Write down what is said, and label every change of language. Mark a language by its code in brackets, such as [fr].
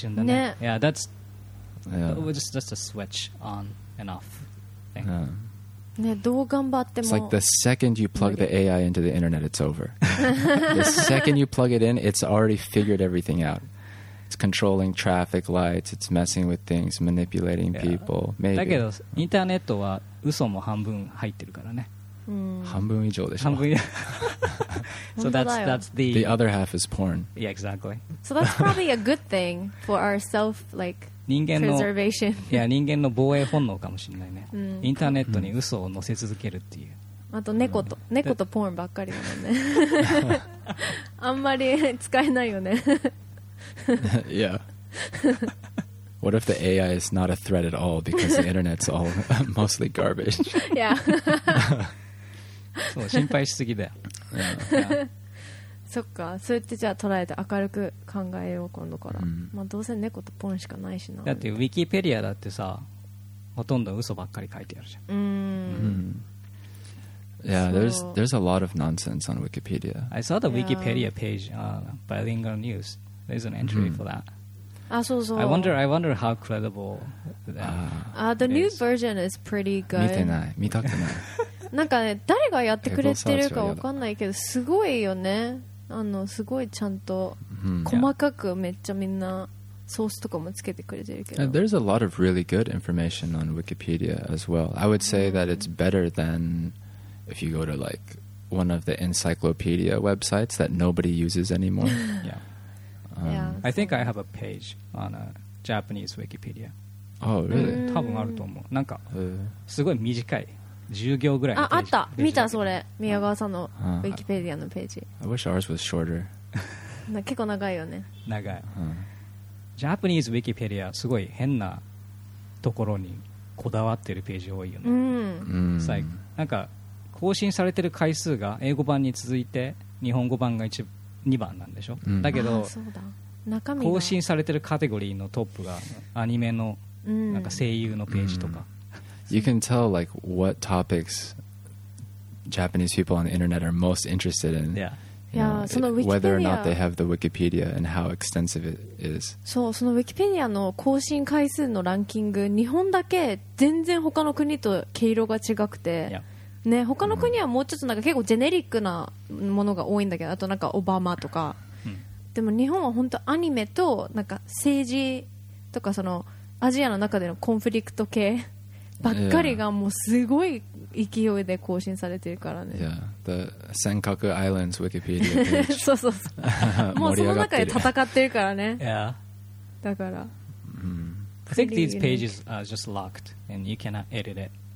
[en] ね。ね、yeah, that's yeah. just a switch on and off thing.、 [ja] ね、どう頑張っても。 [en] It's like the second you plug the AI into the internet, it's over. The second you plug it in, it's already figured everything out. It's controlling traffic lights. It's messing with things, manipulating people.、Maybe. [ja] だけどインターネットは嘘も半分入ってるからね。半分以上でしょ。半分。 [en] So that's the other half is porn. Yeah, exactly. So that's probably a good thing for our self like preservation. [ja] Yeah, 人間の防衛本能かもしれないね。インターネットに嘘を載せ続けるっていう。あと猫とポーンばっかりだもんね。あんまり使えないよね。 [en] Yeah. What if the AI is not a threat at all because the internet's all mostly garbage? Yeah. [ja] そう心配しすぎだよ。そっか、そうやってじゃあ捉えて明るく考えよう今度から、まあ、どうせ猫とポンしかないしな。だってウィキペディアだってさほとんど嘘ばっかり書いてあるじゃん。 [en] Yeah, there's a lot of nonsense on Wikipedia. I saw the Wikipedia page on bilingual news. There's an entry for that. [ja] あ、そうそう。 [en] I wonder how credible that the new version is pretty good. [ja] 見てない、見たくない。なんかね、誰がやってくれてるか分かんないけどすごいよね。あのすごいちゃんと細かくめっちゃみんなソースとかもつけてくれてるけど、 [en] yeah. There's a lot of really good information on Wikipedia as well. I would say that it's better than if you go to like one of the encyclopedia websites that nobody uses anymore. Yeah. I think I have a page on a Japanese Wikipedia. Oh really? [ja] 多分あると思う。なんかすごい短い10行ぐらいのページ。あった、見た、それ宮川さんのウィキペディアのページ。 [en] I wish ours was shorter. [ja] 結構長いよね。長い、Japanese Wikipedia すごい変なところにこだわってるページ多いよね。なんか更新されてる回数が英語版に続いて日本語版が一 2番なんでしょ、うん、だけど、あ、そうだ、中身更新されてるカテゴリーのトップがアニメのなんか声優のページとか、うん、 [en] You can tell like what topics Japanese people on the internet are most interested in、 yeah. Know, it, whether or not they have the Wikipedia and how extensive it is. [ja] そう、その Wikipedia の更新回数のランキング、日本だけ全然他の国と毛色が違くて、ね、他の国はもうちょっとなんか結構ジェネリックなものが多いんだけど、あとなんかオバマとか、でも日本は本当アニメとなんか政治とかそのアジアの中でのコンフリクト系ばっかりがもうすごい勢いで更新されてるからね。 [en] Yeah. The Senkaku Islands Wikipedia page. [ja] そうそうそう。もうその中で戦ってるからね。 [en] Yeah. [ja] だから。 [en] I think these pages are just locked and you cannot edit it.